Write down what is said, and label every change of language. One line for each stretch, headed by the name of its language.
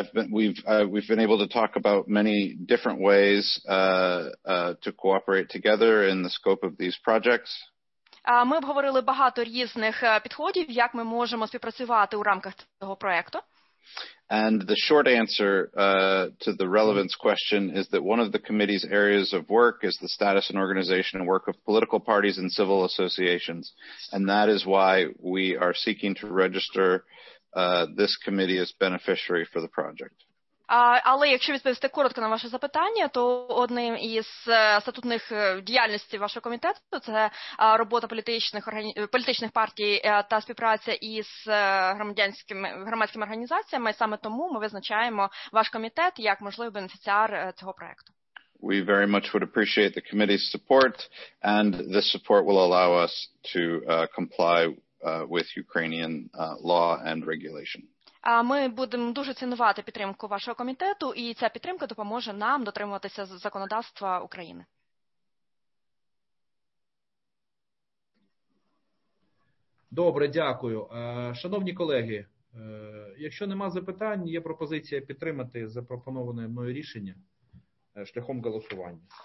English: We've been able to talk about many different ways to cooperate together in the scope of these projects.
Ukrainian: Ми обговорили багато різних підходів, як ми можемо співпрацювати у рамках цього проекту.
English: And the short answer to the relevance question is that one of the committee's areas of work is the status and organization and work of political parties and civil associations. And that is why we are seeking to register this committee as beneficiary for the project.
Ukrainian: Але якщо відповісти коротко на ваше запитання, то одним із статутних діяльностей вашого комітету – це робота політичних партій та співпраця із громадськими організаціями. Саме тому ми визначаємо ваш комітет як можливий бенефіціар цього проєкту.
English: We very much would appreciate the committee's support, and this support will allow us to comply with Ukrainian law and regulation.
Ukrainian: Ми будемо дуже цінувати підтримку вашого комітету, і ця підтримка допоможе нам дотримуватися законодавства України. Добре, дякую. Шановні колеги, якщо нема запитань, є пропозиція підтримати запропоноване мною рішення шляхом голосування.